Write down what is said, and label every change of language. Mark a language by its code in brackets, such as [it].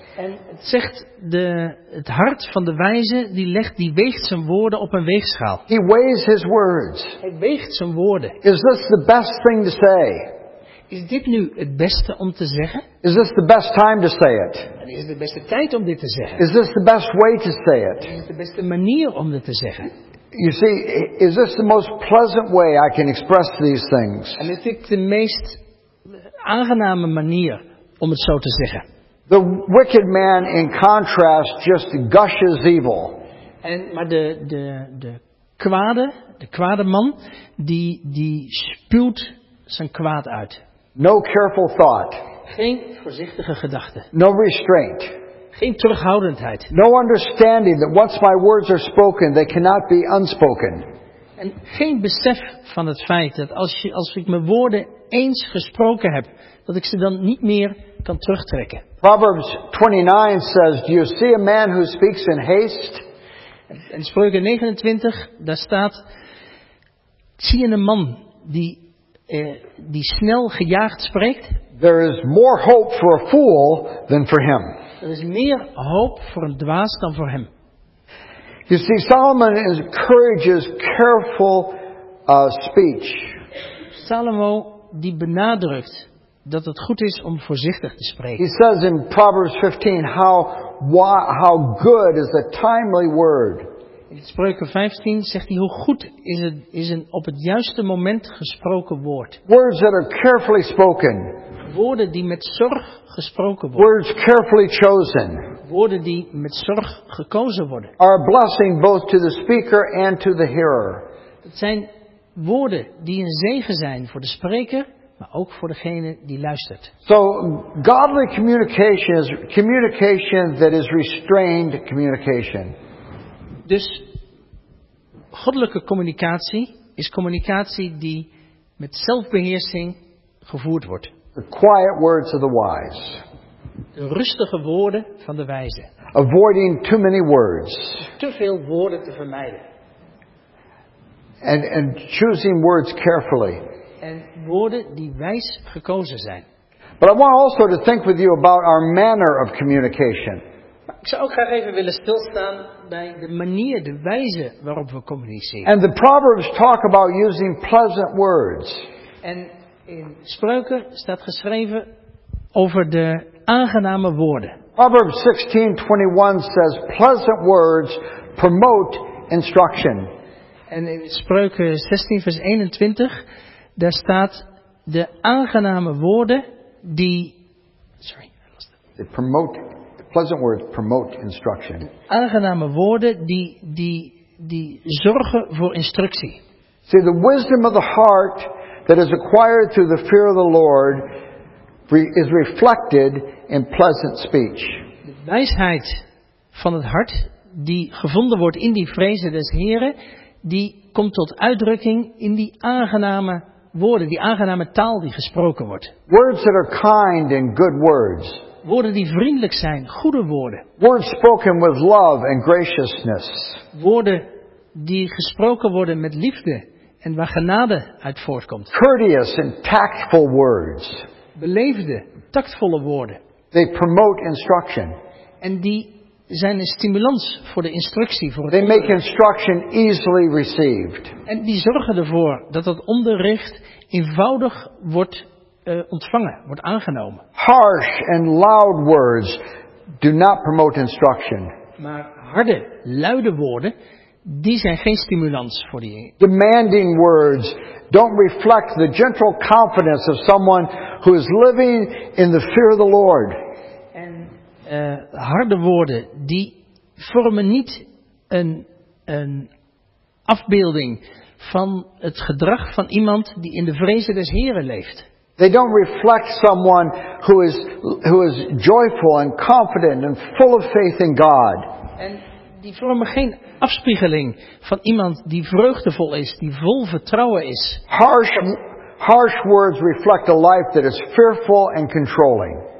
[nl] En het zegt het hart van de wijze die weegt zijn woorden op een weegschaal. [en] He weighs his words. [nl] Hij weegt zijn woorden. [en] Is this the best thing to say? [nl] Is dit nu het beste om te zeggen? [en] Is this the best time to say it? [nl] En is het de beste tijd om dit te zeggen? [en] Is this the best way to say it? [nl] Is het de beste manier om dit te zeggen? [en] You see, is this the most pleasant way I can express these things? [nl] En is dit de meest aangename manier om het zo te zeggen? [en] The wicked man, in contrast, just gushes evil. [nl] En maar de kwade man, die spuwt zijn kwaad uit. [en] No careful thought. [nl] Geen voorzichtige gedachte. [en] No restraint. [nl] Geen terughoudendheid. [en] No understanding that once my words are spoken, they cannot be unspoken. [nl] en geen besef van het feit dat als ik mijn woorden eens gesproken heb, dat ik ze dan niet meer kan terugtrekken. [en] Proverbs 29 says, do you see a man who speaks in haste? [nl] In Spreuken 29, daar staat, zie je een man die snel gejaagd spreekt? [en] There is more hope for a fool than for him. [nl] Er is meer hoop voor een dwaas dan voor hem. [en] You see, Solomon encourages careful speech. [nl] Salomo die benadrukt dat het goed is om voorzichtig te spreken. [en] He says in Proverbs 15, how good is a timely word. [nl] In Spreuken 15 zegt hij hoe goed is een op het juiste moment gesproken woord. [en] Words that are carefully spoken. [nl] Woorden die met zorg gesproken worden. [en] Words carefully chosen. [nl] Woorden die met zorg gekozen worden. [en] Are a blessing both to the speaker and to the hearer. [nl] Het zijn woorden die een zegen zijn voor de spreker, maar ook voor degene die luistert. [en] So, godly communication is communication that is restrained communication. [nl] Dus goddelijke communicatie is communicatie die met zelfbeheersing gevoerd wordt. [en] The quiet words of the wise. [nl] De rustige woorden van de wijze. [en] Avoiding too many words. [nl] Te veel woorden te vermijden. [en] And choosing words carefully. [nl] En woorden die wijs gekozen zijn. [en] But I want also to think with you about our manner of communication. [nl] Ik zou ook graag even willen stilstaan bij de manier, de wijze waarop we communiceren. [en] And the Proverbs talk about using pleasant words. [nl] En in Spreuken staat geschreven over de aangename woorden. [en] Proverbs 16:21 says pleasant words promote instruction. [nl] En in Spreuken 16 vers 21 daar staat de aangename woorden die [en] They promote pleasant words promote instruction. [nl] Aangename woorden die zorgen voor instructie. [en] See, the wisdom of the heart that is acquired through the fear of the Lord is reflected in pleasant speech. [nl] De wijsheid van het hart die gevonden wordt in die vreze des Heren, die komt tot uitdrukking in die aangename woorden, die aangename taal die gesproken wordt. [en] Words that are kind and good words. [nl] Woorden die vriendelijk zijn, goede woorden. [en] Words spoken with love and graciousness. [nl] Woorden die gesproken worden met liefde en waar genade uit voortkomt. [en] Courteous and tactful words. [nl] Beleefde, tactvolle woorden. [en] They promote instruction. [nl] En die zijn een stimulans voor de instructie. Voor het [en] They make instruction easily received. [nl] En die zorgen ervoor dat het onderricht eenvoudig wordt ontvangen, wordt aangenomen. [en] Harsh and loud words do not promote instruction. [nl] Maar harde, luide woorden, die zijn geen stimulans voor die. [en] Demanding words don't reflect the gentle confidence of someone who is living in the fear of the Lord. [nl] En harde woorden die vormen niet een afbeelding van het gedrag van iemand die in de vreze des Heren leeft. [en] They don't reflect someone who is joyful and confident and full of faith in God. [nl] En die vormen geen afspiegeling van iemand die vreugdevol is, die vol vertrouwen is. [en] Harsh words reflect a life that is fearful and controlling.